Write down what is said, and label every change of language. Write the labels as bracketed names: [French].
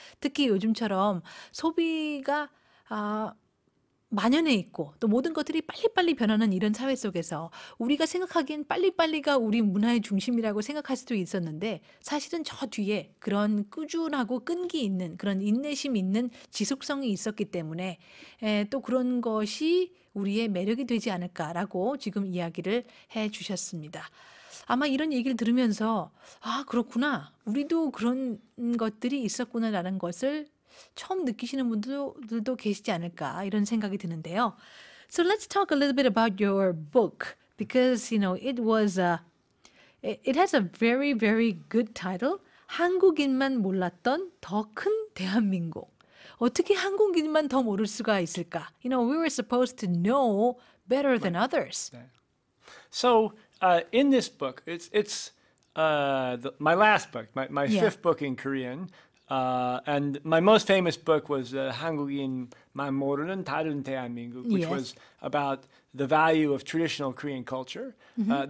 [Korean] 특히 요즘처럼 소비가 만연해 있고 또 모든 것들이 빨리빨리 변하는 이런 사회 속에서 우리가 생각하기엔 빨리빨리가 우리 문화의 중심이라고 생각할 수도 있었는데 사실은 저 뒤에 그런 꾸준하고 끈기 있는 그런 인내심 있는 지속성이 있었기 때문에 또 그런 것이 우리의 매력이 되지 않을까라고 지금 이야기를 해 주셨습니다. 아마 이런 얘기를 들으면서 아 그렇구나 우리도 그런 것들이 있었구나라는 것을 처음 느끼시는 분들도 계시지 않을까 이런 생각이 드는데요. [English] So let's talk a little bit about your book because you know it was it has a very very good title. [Korean] 한국인만 몰랐던 더 큰 대한민국. 어떻게 한국인만 더 모를 수가 있을까? [English] You know, we were supposed to know better than others. So, in this book, my last book, my fifth book in Korean, and my most famous book was 한국인만 모르는 다른 대한민국, which was about the value of traditional Korean culture. Mm-hmm.